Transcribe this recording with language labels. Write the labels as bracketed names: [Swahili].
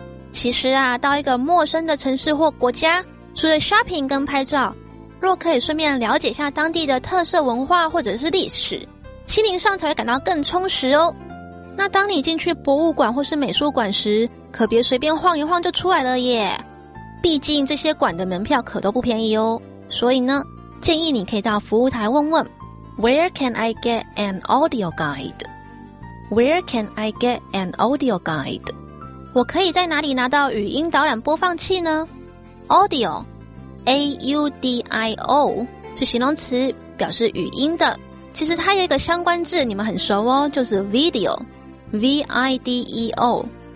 [Chinese] 其实啊，到一个陌生的城市或国家，除了 shopping 跟拍照，若可以顺便了解一下当地的特色文化或者是历史，心灵上才会感到更充实哦。那当你进去博物馆或是美术馆时，可别随便晃一晃就出来了耶。毕竟这些馆的门票可都不便宜哦。所以呢，建议你可以到服务台问问 [English] Where can I get an audio guide? Where can I get an audio guide? [Chinese] 我可以在哪里拿到语音导览播放器呢？Audio A-U-D-I-O 是形容词，表示语音的。其实它有一个相关字你们很熟哦，就是 video V-I-D-E-O。